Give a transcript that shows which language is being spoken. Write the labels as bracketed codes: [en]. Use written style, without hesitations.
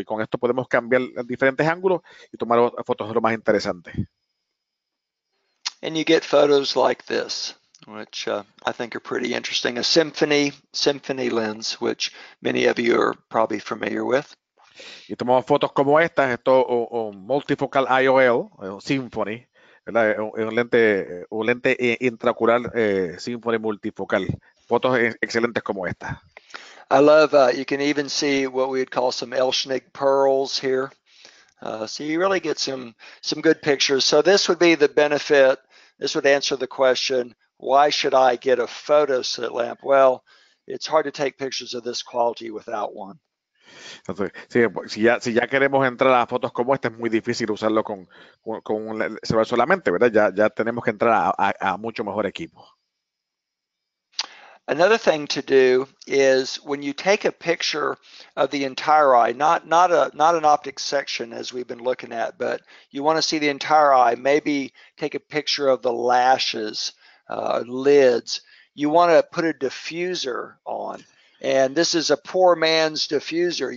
[es] Y con esto podemos cambiar diferentes ángulos y tomar fotos de lo más interesante. [en] And you get photos like this, which I think are pretty interesting. A symphony lens, which many of you are probably familiar with. [es] Y tomamos fotos como estas, esto un multifocal IOL, un Symphony, ¿verdad? Un lente intraocular Symphony multifocal. Fotos excelentes como estas. [en] I love you can even see what we would call some Elshnig pearls here. So you really get some good pictures. So this would be the benefit. This would answer the question, why should I get a photoset lamp? Well, it's hard to take pictures of this quality without one. [es] Entonces, si ya queremos entrar a fotos como esta, es muy difícil usarlo con un celular solamente, ¿verdad? Ya tenemos que entrar a mucho mejor equipo. [en] Another thing to do is when you take a picture of the entire eye, not an optic section as we've been looking at, but you want to see the entire eye, maybe take a picture of the lashes, lids. You want to put a diffuser on. And this is a poor man's diffuser.